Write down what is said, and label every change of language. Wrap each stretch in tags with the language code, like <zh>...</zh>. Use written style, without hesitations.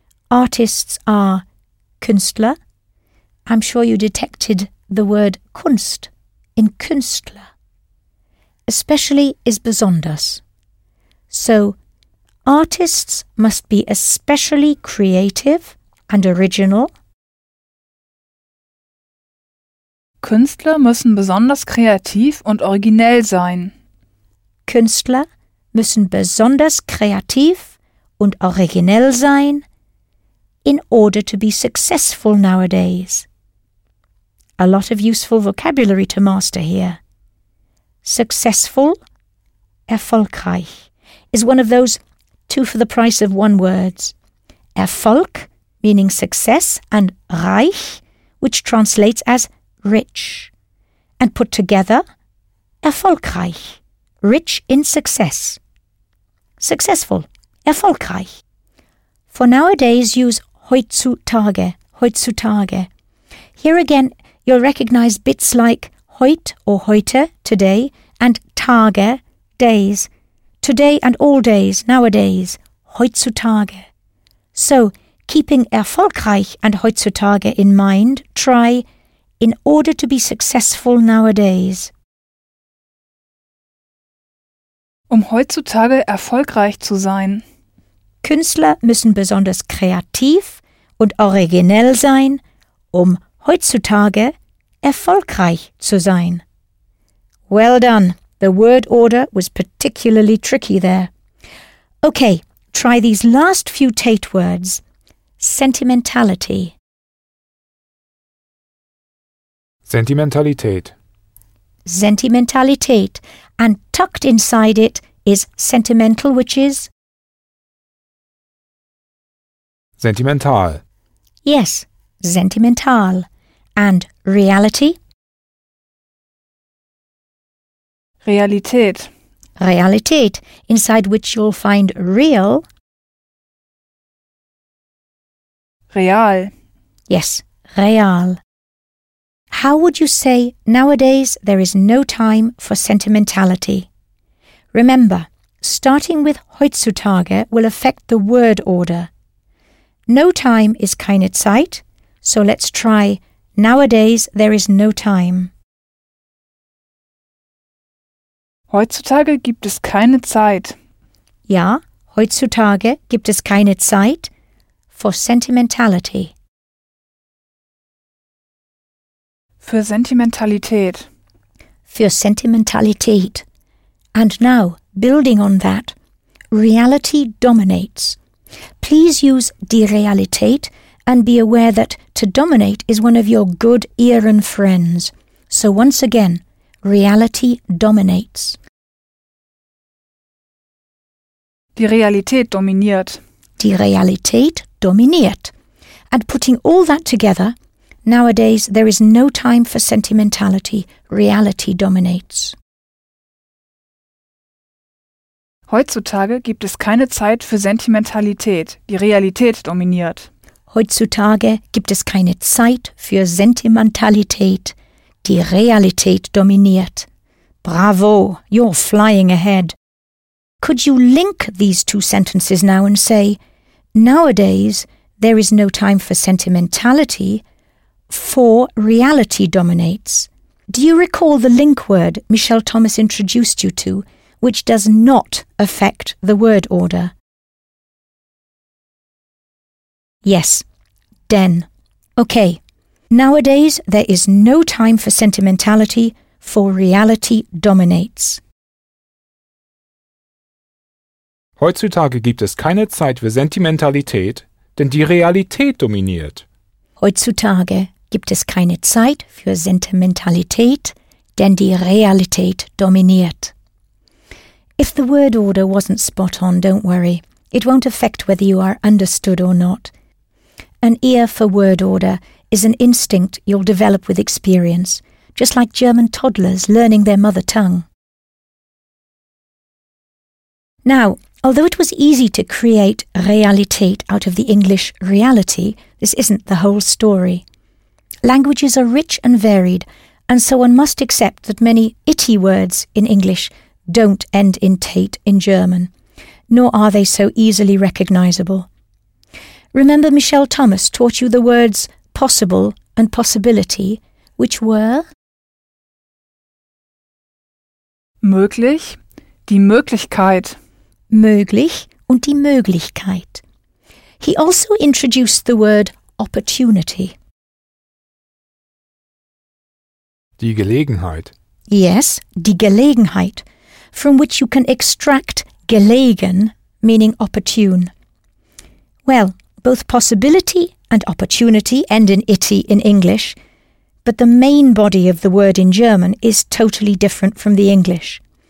<en>Artists are Künstler. I'm sure you detected the word Kunst in Künstler. Especially is besonders. So, artists must be especially creative and original.</en> <de>Künstler müssen besonders kreativ und originell sein. Künstler müssen besonders kreativ und originell sein,</de> <en>in order to be successful nowadays. A lot of useful vocabulary to master here. Successful, erfolgreich, is one of those two for the price of one words. Erfolg, meaning success, and reich, which translates as rich, and put together, erfolgreich, rich in success. Successful, erfolgreich. For nowadays, use heutzutage, heutzutage. Here again, you'll recognize bits like heut or heute, today, and Tage, days. Today and all days, nowadays, heutzutage. So, keeping erfolgreich and heutzutage in mind, try in order to be successful nowadays.</en> <de>Um heutzutage erfolgreich zu sein. Künstler müssen besonders kreativ und originell sein, um heutzutage erfolgreich zu sein.</de> <en>Well done. The word order was particularly tricky there. Okay, try these last few Tate words. Sentimentality.</en> <de>Sentimentalität. Sentimentalität.</de> <en>And tucked inside it is sentimental, which is? Sentimental. Yes, sentimental. And reality?</en> <de>Realität.</de> <en>Realität, inside which you'll find real. Real. Yes, real. How would you say, nowadays there is no time for sentimentality? Remember, starting with heutzutage will affect the word order. No time is</en> <de>keine Zeit,</de> <en>so let's try, nowadays there is no time.</en> <de>Heutzutage gibt es keine Zeit. Ja, heutzutage gibt es keine Zeit</de> <en>for sentimentality.</en> <de>Für Sentimentalität. Für Sentimentalität.</de> <en>And now, building on that, reality dominates. Please use die Realität and be aware that to dominate is one of your good Ehren friends. So once again, reality dominates.</en> <de>Die Realität dominiert. Die Realität dominiert.</de> <en>And putting all that together, nowadays there is no time for sentimentality. Reality dominates.</en> <de>Heutzutage gibt es keine Zeit für Sentimentalität. Die Realität dominiert. Heutzutage gibt es keine Zeit für Sentimentalität. Die Realität dominiert.</de> <en>Bravo, you're flying ahead. Could you link these two sentences now and say, nowadays, there is no time for sentimentality, for reality dominates. Do you recall the link word Michelle Thomas introduced you to, which does not affect the word order? Yes, den. Okay, nowadays there is no time for sentimentality, for reality dominates.</en> <de>Heutzutage gibt es keine Zeit für Sentimentalität, denn die Realität dominiert. Heutzutage gibt es keine Zeit für Sentimentalität, denn die Realität dominiert.</de> <en>If the word order wasn't spot on, don't worry. It won't affect whether you are understood or not. An ear for word order is an instinct you'll develop with experience, just like German toddlers learning their mother tongue. Now, although it was easy to create Realität out of the English reality, this isn't the whole story. Languages are rich and varied, and so one must accept that many itty words in English don't end in Tate in German, nor are they so easily recognisable. Remember Michelle Thomas taught you the words possible and possibility, which were?</en> <de>Möglich, die Möglichkeit. Möglich und die Möglichkeit.</de> <en>He also introduced the word opportunity.</en> <de>Die Gelegenheit.</de> <en>Yes, die Gelegenheit, from which you can extract gelegen, meaning opportune. Well, both possibility and opportunity end in itty in English, but the main body of the word in German is totally different from the English.</en>